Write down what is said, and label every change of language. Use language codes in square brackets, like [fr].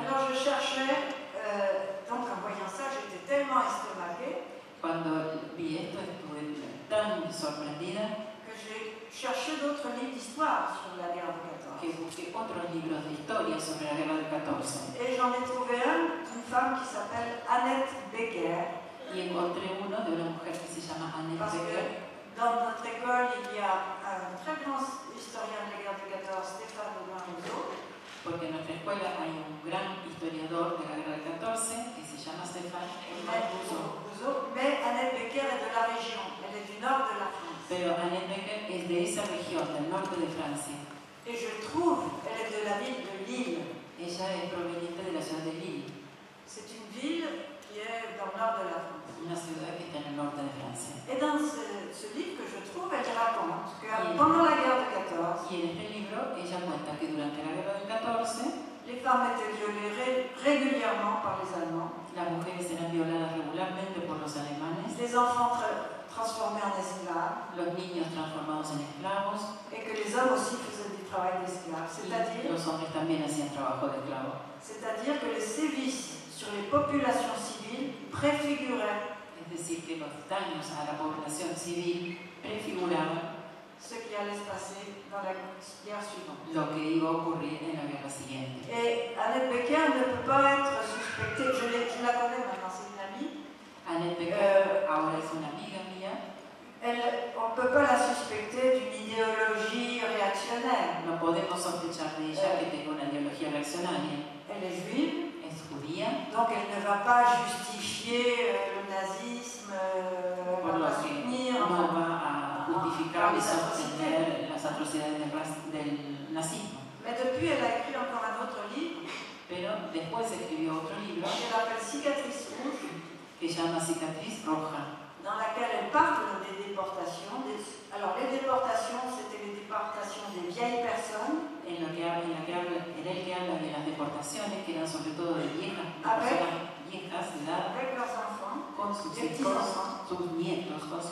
[fr] Alors je cherchais, donc en voyant ça, j'étais tellement estomaquée. [es] Cuando vi esto, estuve tan sorprendida [fr] que j'ai cherché d'autres livres d'histoire sur la guerre de 14. [es] Que busqué otros libros de historia sobre la guerra de 14. [fr] Et j'en ai trouvé un d'une femme qui s'appelle Annette Becker. [es] Y encontré uno de una mujer que se llama Annette Becker. [fr] Dans notre école, il y a un très grand historien de la guerre de 14, Stéphane Aubin-Rousseau. [es] Porque en nuestra escuela hay un gran historiador de la guerra de 14 que se llama Stéphane Aubin-Rousseau. [fr] Mais Annette Becker est de la région, elle est du nord de la France. [es] Pero Annette Becker es de esa región, del norte de Francia. [fr] Et je trouve, elle est de la ville de Lille. [es] Ella es proveniente de la ciudad de Lille. [fr] C'est une ville qui est dans le nord de la France. [es] Una ciudad que está en el norte de Francia. [fr] Et dans ce livre que je trouve, elle raconte que pendant la guerre de 14, [es] y en este libro, ella cuenta que durante la guerra de 14, [fr] les femmes étaient violées régulièrement par les Allemands. [es] Las mujeres eran violadas regularmente por los alemanes. [fr] Les enfants transformés en esclaves. [es] Los niños transformados en esclavos. [fr] Et que les hommes aussi faisaient du travail d'esclave. C'est-à-dire. [es] Los hombres también hacían trabajo de esclavo. [fr] C'est-à-dire que les sévices sur les populations civiles préfiguraient. [es] Es decir, que los daños a la población civil prefiguraban [fr] ce qui allait se passer dans la guerre suivante. [es] Lo que iba a ocurrir en la guerra siguiente. [fr] Et Annette Becker ne peut pas être suspectée. Je la connais maintenant, c'est une amie. [es] Annette Becker, ahora es una amiga mía. [fr] On ne peut pas la suspecter d'une idéologie réactionnaire. [es] No podemos sospechar de ella que tenga una ideología reaccionaria. [fr] Elle est juive. [es] Judía. [fr] Donc elle ne va pas justifier le nazisme, [es] va soutenir, no va a justificar y sostener las atrocidades del nazismo. [fr] Mais depuis elle a écrit encore un autre livre. [es] Pero después escribió otro libro. [fr] Que s'appelle Cicatrice Rouge. [es] Que llama Cicatriz Roja. [fr] Dans laquelle elle parle des déportations. Alors les déportations, c'était les déportations des vieilles personnes. [es] En lo que habla, en el que habla de las deportaciones, que eran sobre todo de viejas, viejas de edad, con sus hijos, con sus nietos.